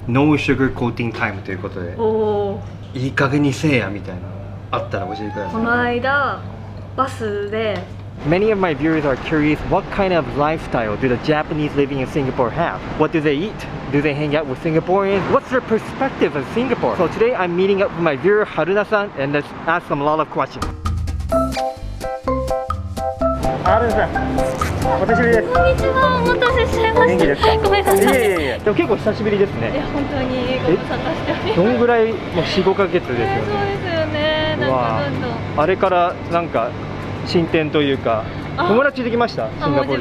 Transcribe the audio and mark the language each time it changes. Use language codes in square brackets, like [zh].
[ja] ノーシュガーコーティングタイムということで、おいい加減にせえやみたいなあったら教えてください。この間バスで、 [en] Many of my viewers are curious what kind of lifestyle do the Japanese living in Singapore have? What do they eat? Do they hang out with Singaporeans? What's their perspective of Singapore? So today I'm meeting up with my viewer Haruna-san and let's ask them a lot of questions. [ja] Haruna-san, 久しぶりです。こんにちは、お待たせしました。元気ですか？ごめんなさい。いやいやいや、でも結構久しぶりですね。いや、本当にご無沙汰しております。どんぐらい、もう 4、5 ヶ月ですよね。そうですよね、なんかどんどん。あれからなんか進展というか、友達できました、シンガポール人。